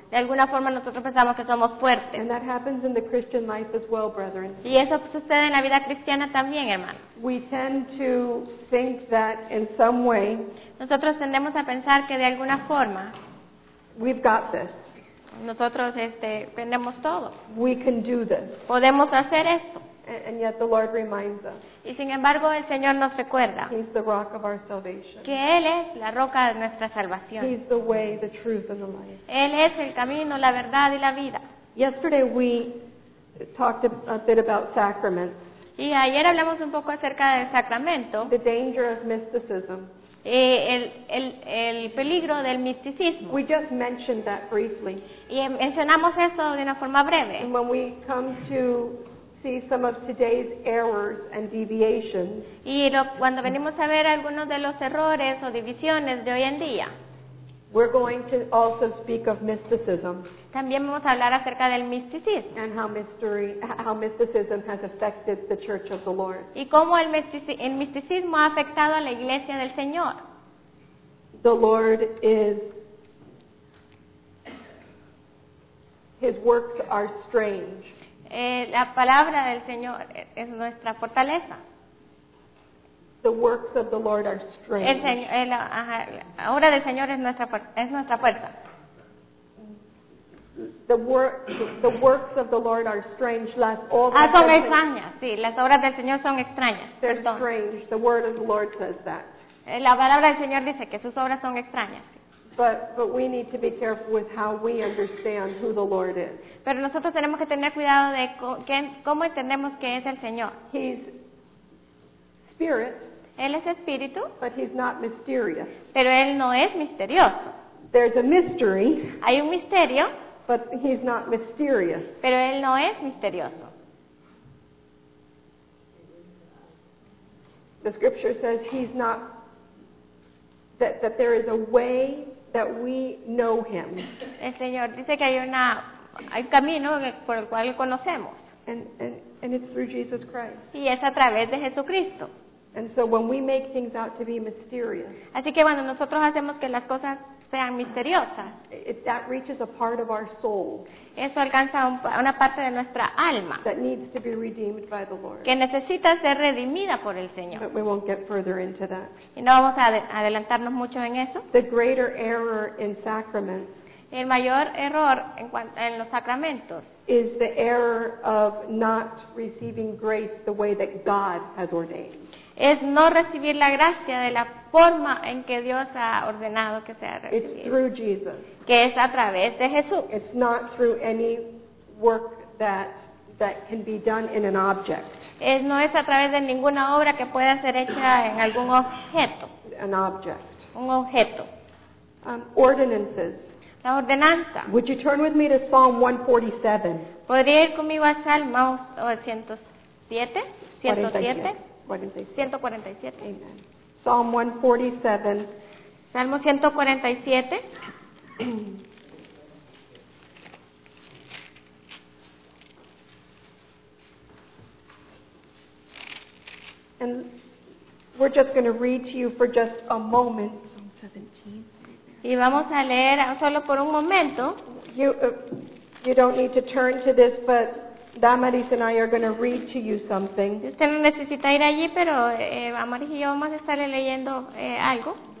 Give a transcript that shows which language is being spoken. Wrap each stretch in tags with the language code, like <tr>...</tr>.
<es>De alguna forma nosotros pensamos que somos fuertes.</es> <en>And that happens in the Christian life as well, brethren.</en> <es>Y eso sucede en la vida cristiana también, hermano.</es> <en>We tend to think that in some way.</en> <es>Nosotros tendemos a pensar que de alguna forma.</es> <en>We've got this.</en> <es>Nosotros tenemos todo.</es> <en>We can do this.</en> <es>Podemos hacer esto.</es> <en>And yet the Lord reminds us.</en> <es>Y sin embargo el Señor nos recuerda.</es> <en>He's the rock of our salvation.</en> <es>Que Él es la roca de nuestra salvación.</es> <en>He's the way, the truth, and the life.</en> <es>Él es el camino, la verdad y la vida.</es> <en>Yesterday we talked a bit about sacraments.</en> <es>Y ayer hablamos un poco acerca del sacramento.</es> <en>The danger of mysticism.</en> <es>El peligro del misticismo.</es> <en>We just mentioned that briefly.</en> <es>Y mencionamos eso de una forma breve.</es> <en>And when we come to see some of today's errors and deviations.</en> <es>Y cuando venimos a ver algunos de los errores o divisiones de hoy en día.</es> <en>We're going to also speak of mysticism.</en> <es>También vamos a hablar acerca del misticismo.</es> <en>And how mysticism has affected the Church of the Lord.</en> <es>Y cómo el misticismo ha afectado a la Iglesia del Señor.</es> <en>The Lord is. His works are strange.</en> <es>La palabra del Señor es nuestra fortaleza.</es> <en>The works of the Lord are strange.</en> <es>La obra del Señor es nuestra fuerza.</es> <en>The works of the Lord are strange.</en> <es>Son extrañas. Sí, las obras del Señor son extrañas.</es> <en>They're</en> <es>perdón.</es> <en>Strange. The word of the Lord says that.</en> <es>La palabra del Señor dice que sus obras son extrañas.</es> <en>But we need to be careful with how we understand who the Lord is.</en> <es>Pero nosotros tenemos que tener cuidado de cómo entendemos que es el Señor.</es> <en>He's spirit.</en> <es>Él es espíritu.</es> <en>But he's not mysterious.</en> <es>Pero él no es misterioso.</es> <en>There's a mystery.</en> <es>Hay un misterio.</es> <en>But he's not mysterious.</en> <es>Pero él no es misterioso.</es> <en>The scripture says he's not that there is a way that we know him.</en> <es>El Señor dice que hay un camino por el cual conocemos.</es> <en>And it's through Jesus Christ.</en> <es>Y es a través de Jesucristo.</es> <en>And so when we make things out to be mysterious.</en> <es>Así que cuando nosotros hacemos que las cosas sean misteriosas.</es> <en>It, that reaches a part of our soul.</en> <es>Eso alcanza una parte de nuestra alma.</es> <en>That needs to be redeemed by the Lord.</en> <es>Que necesita ser redimida por el Señor.</es> <en>But we won't get further into that.</en> <es>Y no vamos a adelantarnos mucho en eso.</es> <en>The greater error in sacraments.</en> <es>El mayor error en los sacramentos.</es> <en>Is the error of not receiving grace the way that God has ordained.</en> <es>Es no recibir la gracia de la forma en que Dios ha ordenado que sea recibida.</es> <en>It's through Jesus.</en> <es>Que es a través de Jesús.</es> <en>It's not through any work that that can be done in an object.</en> <es>Es, no es a través de ninguna obra que pueda ser hecha en algún objeto.</es> <en>An object.</en> <es>Un objeto.</es> <en>Ordinances.</en> <es>La ordenanza.</es> <en>Would you turn with me to Psalm 147?</en> <es>¿Podría ir conmigo a Salmo 147?</es> <en>147. Amen. Psalm 147.</en> <es>Salmo 147.</es> <en>And we're just going to read to you for just a moment.</en> <es>Y vamos a leer solo por un momento.</es> <en>You don't need to turn to this, but Damaris and I are going to read to you something.</en> <es>Usted no necesita ir allí, pero Damaris y yo vamos a estarle leyendo algo.</es>